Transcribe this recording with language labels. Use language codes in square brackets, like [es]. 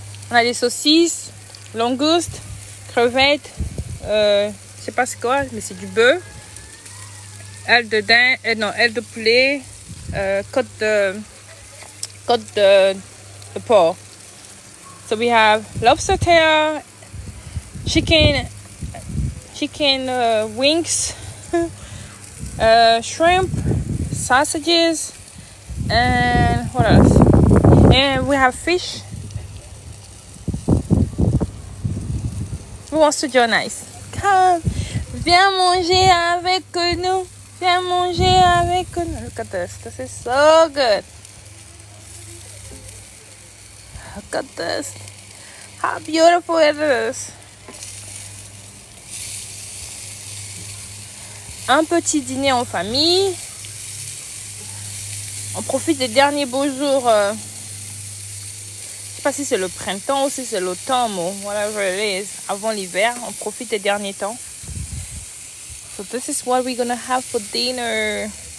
[fr] On a des saucisses, langoustes, crevettes, je sais pas c'est quoi, mais c'est du bœuf, aile de daim, non, aile de poulet, côte de porc. [en] So we have lobster tail, chicken wings, shrimp, sausages, and what else? And we have fish. Who wants to join us? Come, [fr] viens manger avec nous. Viens manger avec nous. [en] Look at this. This is so good. Look at this. How beautiful it is. [fr] Un petit dîner en famille. On profite des derniers beaux jours. Je sais pas si c'est le printemps ou si c'est l'automne. [en] Whatever it is. [fr] Avant l'hiver, on profite des derniers temps. [en] So this is what we're gonna have for dinner.